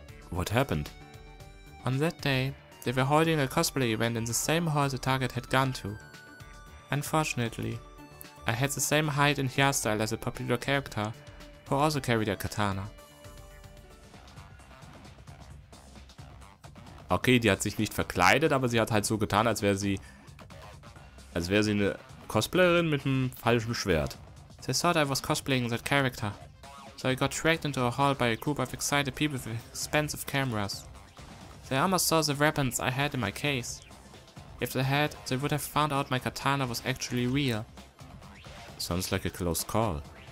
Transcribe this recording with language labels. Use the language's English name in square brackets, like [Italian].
[English] What happened? On that day, they were holding a cosplay event in the same hall the target had gone to. Unfortunately, I had the same height and hairstyle as a popular character, who also carried a katana. [German] Okay, die hat sich nicht verkleidet, aber sie hat halt so getan, als wäre sie eine Cosplayerin mit einem falschen Schwert. [English] They thought I was cosplaying that character, so I got dragged into a hall by a group of excited people with expensive cameras. They almost saw the weapons I had in my case. If they had, they would have found out my katana was actually real. Sounds like a close call.